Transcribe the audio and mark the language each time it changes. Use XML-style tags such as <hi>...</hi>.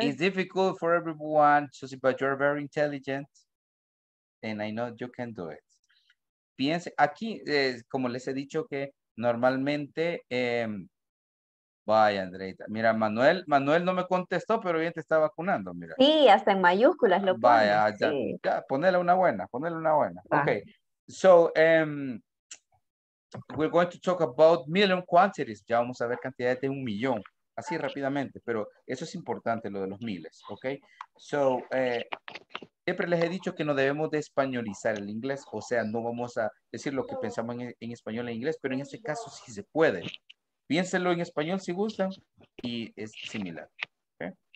<en>It's difficult for everyone, Susie, but you're very intelligent. And I know you can do it.</en> <es>Piense, aquí, como les he dicho que normalmente Vaya, Andreita. Mira, Manuel no me contestó, pero bien te está vacunando, mira. Sí, hasta en mayúsculas lo pone. Vaya, sí. Ya, ponele una buena. Ah. Okay.</es> <en>So, we're going to talk about million quantities.</en> <es>Ya vamos a ver cantidades de un millón. Así rápidamente, pero eso es importante, lo de los miles, ¿ok? So, siempre les he dicho que no debemos de españolizar el inglés, o sea, no vamos a decir lo que pensamos en español e inglés, pero en este caso sí se puede. Piénselo en español si gustan, y es similar, ¿ok?</es>